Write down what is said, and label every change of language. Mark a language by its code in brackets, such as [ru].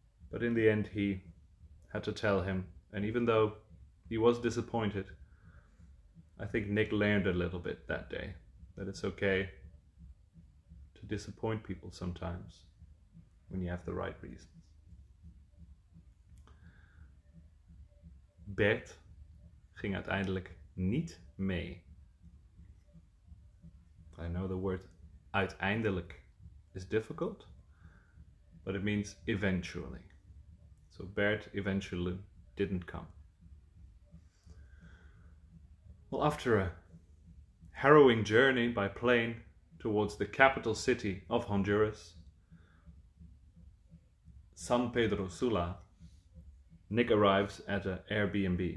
[en] But in the end, he had to tell him, and even though he was disappointed, I think Nick learned a little bit that day, that it's okay to disappoint people sometimes when you have the right reasons. [nl] Bert ging uiteindelijk niet mee. [en] I know the word uiteindelijk is difficult, but it means eventually. So Bert eventually didn't come. Well, after a harrowing journey by plane towards the capital city of Honduras, San Pedro Sula, Nick arrives at an Airbnb.